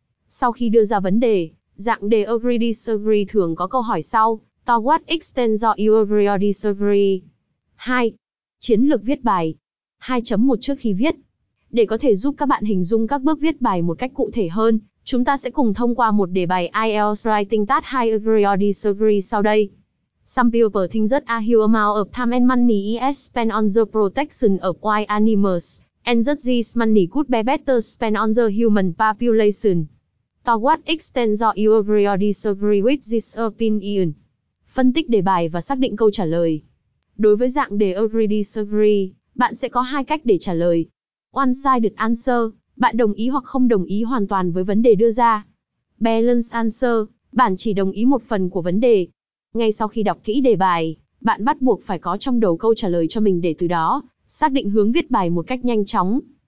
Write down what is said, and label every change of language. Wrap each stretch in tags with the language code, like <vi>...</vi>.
<vi>Sau khi đưa ra vấn đề, dạng đề Agree Disagree thường có câu hỏi sau:</vi> <en>To what extent do you agree or disagree?</en> <vi>2. Chiến lược viết bài. 2.1 trước khi viết. Để có thể giúp các bạn hình dung các bước viết bài một cách cụ thể hơn, chúng ta sẽ cùng thông qua một đề bài IELTS Writing Test 2 Agree or Disagree sau đây.</vi> <en>Some people think that a huge amount of time and money is spent on the protection of wild animals, and that this money could be better spent on the human population. To what extent do you agree or disagree with this opinion?</en> <vi>Phân tích đề bài và xác định câu trả lời. Đối với dạng đề Agree Disagree, bạn sẽ có hai cách để trả lời. One-sided answer, bạn đồng ý hoặc không đồng ý hoàn toàn với vấn đề đưa ra. Balanced answer, bạn chỉ đồng ý một phần của vấn đề. Ngay sau khi đọc kỹ đề bài, bạn bắt buộc phải có trong đầu câu trả lời cho mình để từ đó xác định hướng viết bài một cách nhanh chóng.</vi>